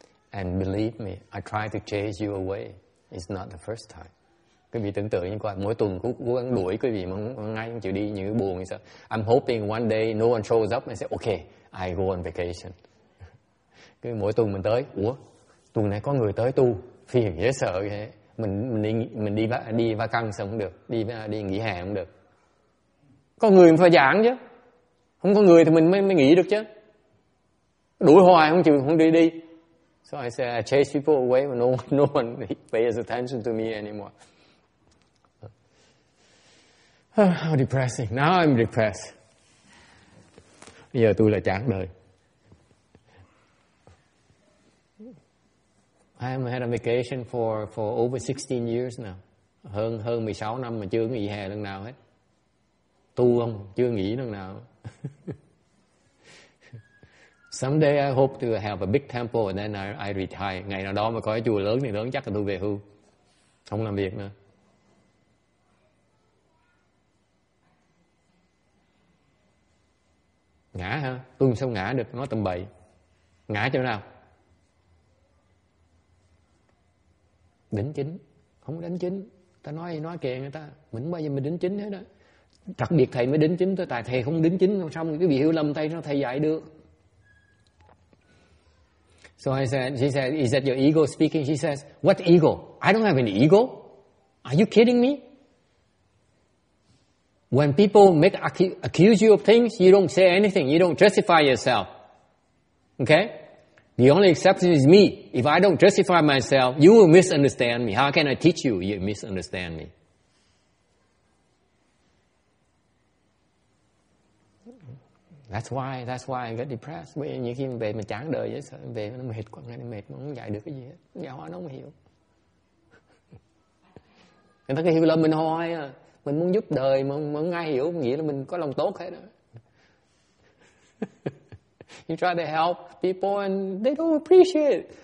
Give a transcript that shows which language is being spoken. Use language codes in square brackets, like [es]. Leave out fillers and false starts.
[en] And believe me, I try to chase you away. It's not the first time. [vi] Quý vị tưởng tượng như coi, mỗi tuần cố gắng đuổi quý vị mà ngay không chịu đi, như buồn như sao. [en] I'm hoping one day no one shows up and say, okay, I go on vacation. [vi] Cứ mỗi tuần mình tới, ủa, tuần này có người tới tu, phiền dễ sợ vậy. Mình đi va căng sao không được, đi nghỉ hè không được. Có người phải giảng chứ. Không có người thì mình mới nghỉ được chứ. Đuổi hoài không chịu, không đi. [en] So I said, I chase people away, but no one pays attention to me anymore. How depressing. Now I'm depressed. [vi] Bây giờ tôi là chán đời. [en] I haven't had a vacation for over 16 years now. [vi] Hơn 16 năm mà chưa nghỉ hè lần nào hết. Tu không? Chưa nghỉ lần nào. [en] Someday I hope to have a big temple and then I retire. [vi] Ngày nào đó mà có cái chùa lớn thì lớn chắc là tôi về hưu. Không làm việc nữa. Ngã hả? Tôi sao ngã được? Nói tầm bậy. Ngã chỗ nào? Đính chính. Không đính chính. Ta nói gì nói kìa người ta. Mình bao giờ mình đính chính hết đó. Đặc biệt thầy mới đính chính thôi. Tại thầy không đính chính xong cái bị hiểu lầm thầy sao thầy dạy được. [en] So I said, she said, is that your ego speaking? She says, what ego? I don't have an ego. Are you kidding me? When people make accuse you of things, you don't say anything. You don't justify yourself. Okay? The only exception is me. If I don't justify myself, you will misunderstand me. How can I teach you? You misunderstand me. That's That's why I get depressed. [vi] Bởi vì nhiều khi mình về mình chán đời, sợ mình về nó mệt quá, ngày này mệt, mình không dạy được cái gì hết. Giáo hóa nó không hiểu. Người ta cứ hiểu là mình hoài à. Mình muốn giúp đời, mà không ai hiểu, nghĩa là mình có lòng tốt hết đó. [en] You try to help people and they don't appreciate.